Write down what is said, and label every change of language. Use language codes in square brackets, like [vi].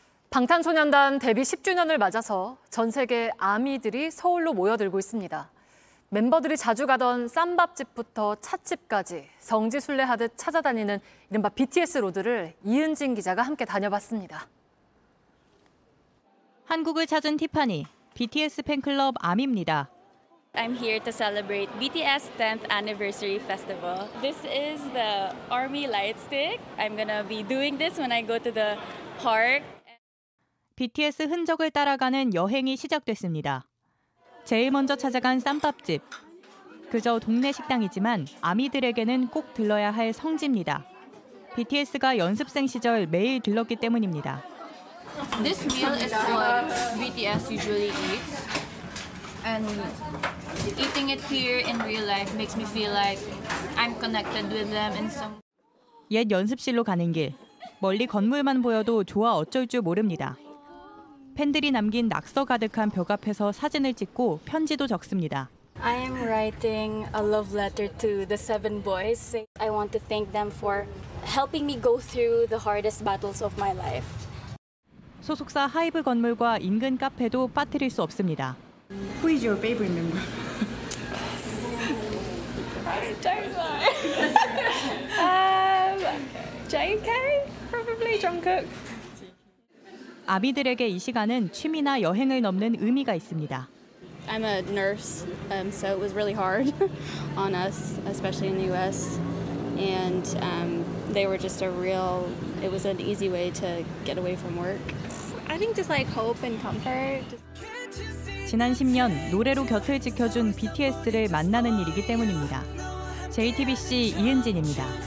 [ko] 방탄소년단 데뷔 10주년을 맞아서 전 세계 아미들이 서울로 모여들고 있습니다. 멤버들이 자주 가던 쌈밥집부터 찻집까지 성지순례하듯 찾아다니는 이른바 BTS 로드를 이은진 기자가 함께 다녀봤습니다. 한국을 찾은 티파니, BTS 팬클럽 아미입니다. [en] I'm here to celebrate BTS 10th anniversary festival. This is the Army light stick. I'm gonna be doing this when I go to the park. [ko] BTS 흔적을 따라가는 여행이 시작됐습니다. 제일 먼저 찾아간 쌈밥집. 그저 동네 식당이지만 아미들에게는 꼭 들러야 할 성지입니다. BTS가 연습생 시절 매일 들렀기 때문입니다. [en] This meal is what BTS usually eats. And eating it here in real life makes me feel like I'm connected with them in some. [ko] 옛 연습실로 가는 길. 멀리 건물만 보여도 좋아 어쩔 줄 모릅니다. 팬들이 남긴 낙서 가득한 벽 앞에서 사진을 찍고 편지도 적습니다. [en] I am writing a love letter to the 7 boys. I want to thank them for helping me go through the hardest battles of my life. [ko] 소속사 하이브 건물과 인근 카페도 빠뜨릴 수 없습니다. [en] Who is your favorite member? Jungkook. JK? Probably Jungkook. [ko] 아미들에게 이 시간은 취미나 여행을 넘는 의미가 있습니다. [en] I'm a nurse, so it was really hard on us, especially in the U.S. And they were just a real, it was an easy way to get away from work. I think just like hope and comfort. Can't you see [ko] 지난 10년 노래로 곁을 지켜준 BTS를 만나는 일이기 때문입니다. JTBC 이은진입니다.